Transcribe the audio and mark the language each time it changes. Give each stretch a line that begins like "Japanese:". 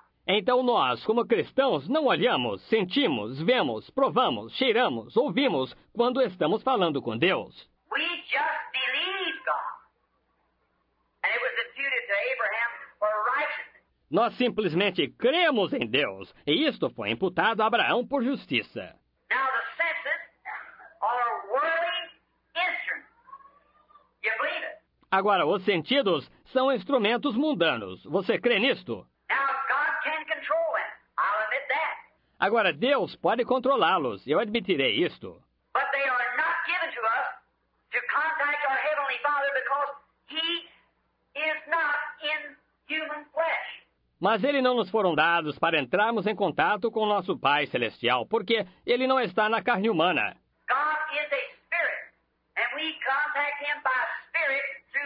Portuguese: Então nós, como cristãos, não olhamos, sentimos, vemos, provamos, cheiramos, ouvimos quando estamos falando com Deus.
English: We just believe God. And it was imputed to Abraham for righteousness.
Portuguese: Nós simplesmente cremos em Deus, e isto foi imputado a Abraão por justiça.
English: Now the senses are worldly instruments. You believe it?
Portuguese: Agora, os sentidos são instrumentos mundanos. Você crê nisto?
English: Now, God can control them. I'll admit that.
Portuguese: Agora, Deus pode controlá-los. Eu admitirei isto.
English: But they are not given to us to contact our Heavenly Father because He is not in human flesh.
Portuguese: Mas eles não nos foram dados para entrarmos em contato com nosso Pai Celestial, porque Ele não está na carne humana.
English: God is a spirit, and we contact Him by spirit.